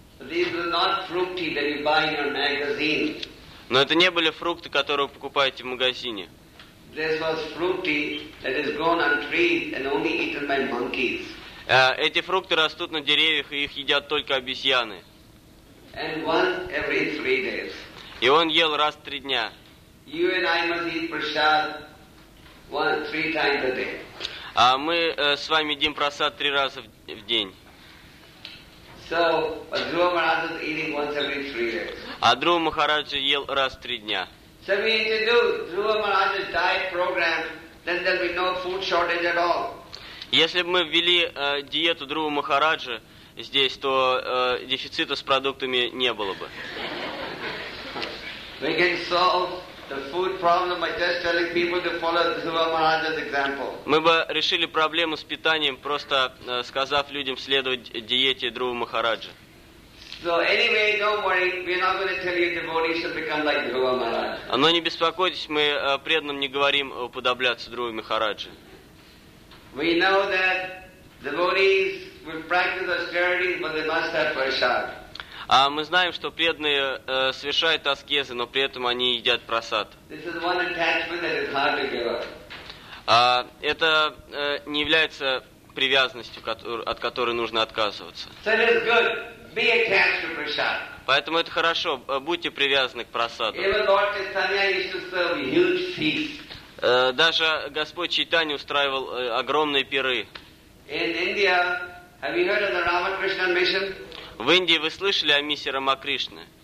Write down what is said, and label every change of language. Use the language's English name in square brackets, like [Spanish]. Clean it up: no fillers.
[English] These were not fruity that you buy in a magazine. [Russian] Но это не были фрукты, которые вы покупаете в магазине. [English] This was fruity that is grown on trees and only eaten by monkeys. [Russian] Эти фрукты растут на деревьях, и их едят только обезьяны. [English] And once every 3 days. [Russian] И он ел раз в 3 дня. [English] You and I must eat prasad 3 times a day. [Russian] А мы с вами едим прасад 3 раза в день. [English] So, Dhruva Maharaja is eating once every 3 days. [Russian] А Дхрува Махараджа ел раз в 3 дня. [English] So we introduce Dhruva Maharaja's diet program, then there will be no food shortage at all. [Russian] Если бы мы ввели диету Дхрувы Махараджи здесь, то дефицита с продуктами не было бы. [English] We can solve the food problem by just telling people to follow Dhruva Maharaja's example. [Russian] Мы бы решили проблему с питанием, просто сказав людям следовать диете Дхрувы Махараджи. [English] So anyway, don't worry, we're not going to tell you devotees should become like Dhruva Maharaja. [Russian] Но не беспокойтесь, мы преданным не говорим уподобляться Дхруве Махараджи. [English] We know that devotees will practice austerity, but they must have prasad. [Russian] А мы знаем, что преданные совершают аскезы, но при этом они едят прасад. [English] This is one attachment that is hard to give up. [Russian] Это не является привязанностью, от которой нужно отказываться. [English] So it is good. Be attached to prasad. [Russian] Поэтому это хорошо. Будьте привязаны к прасаду. [English] Even Lord Caitanya used to serve huge feasts. [Russian] Даже Господь Чайтанья устраивал огромные пиры. [English] In India, have you heard of the Ramakrishna mission? [Russian] В Индии вы слышали о миссии Рамакришны?